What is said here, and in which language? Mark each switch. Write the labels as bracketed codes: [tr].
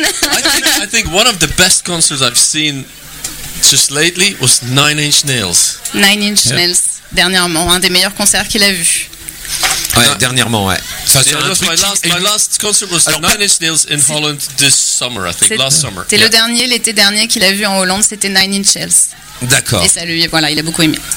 [en] I think one of the best concerts I've seen just lately was Nine Inch Nails. [fr] Nine Inch Nails, dernièrement, un des meilleurs concerts qu'il a vu. Ouais, dernièrement, ouais. [en] My last concert was Nine Inch Nails in Holland this summer, I think, last summer. [fr] C'était le dernier, l'été dernier qu'il a vu en Hollande, c'était Nine Inch Nails. D'accord. Et ça lui, voilà, il a beaucoup aimé.